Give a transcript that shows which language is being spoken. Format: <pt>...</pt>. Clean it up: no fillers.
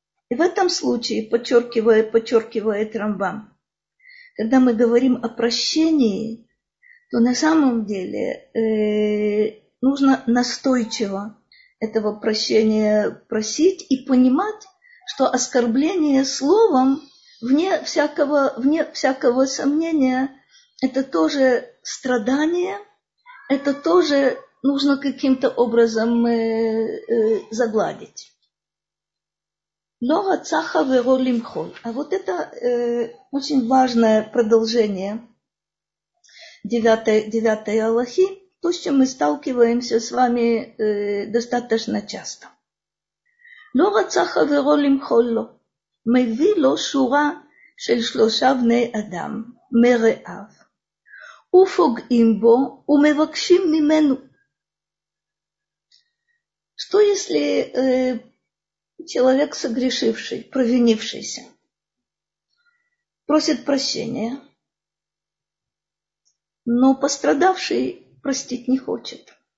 <ru>И в этом случае, подчеркивает Рамбам, когда мы говорим о прощении, то на самом деле нужно настойчиво этого прощения просить и понимать, что оскорбление словом, вне всякого сомнения, это тоже страдание, это тоже нужно каким-то образом загладить. Но</ru> <he>цаха веро лимхол.</he> <ru>А вот это очень важное продолжение девятой аллахи, то, с чем мы сталкиваемся с вами достаточно часто.</ru> <he>לא רצה חברו למחול לו, מביא לו שורה של שלושה בני אדם, מרעב, ופוגעים בו ומבקשים ממנו.</he> <ru>Что если человек согрешивший, провинившийся, просит прощения, но пострадавший простить не хочет?</ru>